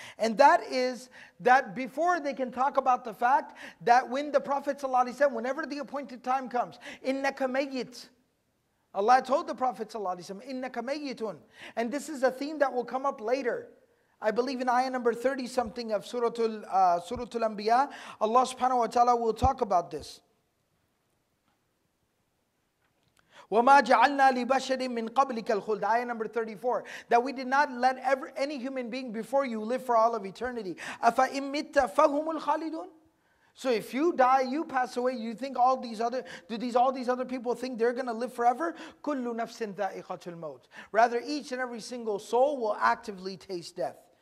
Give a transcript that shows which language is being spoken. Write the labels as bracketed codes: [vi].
[en] And that is that before they can talk about the fact that when the Prophet ﷺ, whenever the appointed time comes, [ar] إِنَّكَ مَيِّتْ, [en] Allah told the Prophet ﷺ, [ar] إِنَّكَ مَيِّتٌ. [en] And this is a theme that will come up later. I believe in ayah number 30 something of Suratul Anbiya, Allah subhanahu wa ta'ala will talk about this. [ar] وَمَا جَعَلْنَا لِبَشَرٍ مِّن قَبْلِكَ الْخُلْدِ [en] Ayah number 34. That we did not let any human being before you live for all of eternity. [ar] أَفَإِن مِتَّ فَهُمُ الْخَالِدُونَ [en] So if you die, you pass away, you think all these other people think they're going to live forever? [ar] كُلُّ نَفْسٍ ذَائِقَةُ الْمَوْتِ [en] Rather, each and every single soul will actively taste death.